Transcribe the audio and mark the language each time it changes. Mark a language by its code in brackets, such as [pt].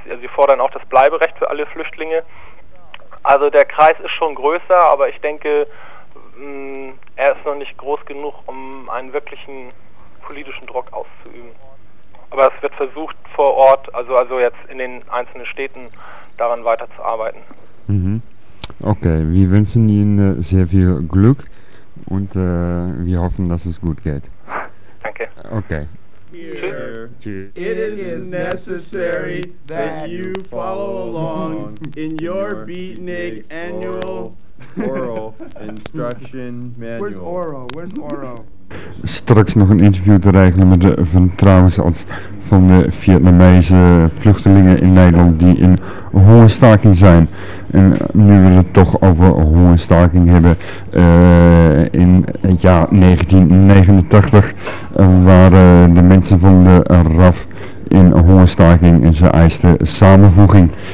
[de] Ja, sie fordern auch das Bleiberecht für alle Flüchtlinge. Also der Kreis ist schon größer, aber ich denke, er ist noch nicht groß genug, um einen wirklichen politischen Druck auszuüben. Aber es wird versucht vor Ort, also jetzt in den einzelnen Städten, daran weiterzuarbeiten. Mhm. Okay, wir wünschen Ihnen sehr viel Glück und wir hoffen, dass es gut geht. Danke. Okay. [en] Here. It is necessary that you follow along in your beatnik annual oral instruction manual. Where's Oro? [nl] Straks nog een interview te regelen met de vertrouwensarts van de Vietnamese vluchtelingen in Nederland die in hongerstaking zijn. En nu we het toch over hongerstaking hebben, in het jaar 1989 waren de mensen van de RAF in hongerstaking en ze eisten samenvoeging.